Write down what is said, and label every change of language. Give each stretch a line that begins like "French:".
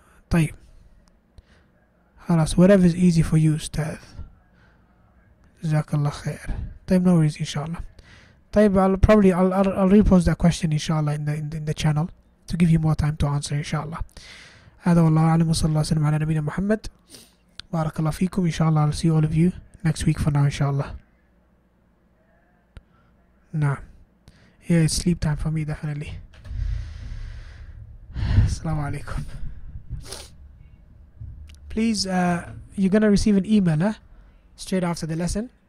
Arabic: طيب.
English: خلاص, whatever is easy for you, Ustaz. Jazakallah khair. طيب, no worries, inshallah. طيب, I'll repost that question, inshallah, in the channel to give you more time to answer, inshallah.
Arabic: هذا والله أعلم, وصلى الله وسلم على نبينا محمد. بارك الله فيكم, inshallah.
English: I'll see all of you next week for now, inshallah.
Arabic: نعم.
English: Yeah, it's sleep time for me, definitely.
Arabic: السلام عليكم.
English: Please, you're gonna receive an email, straight after the lesson.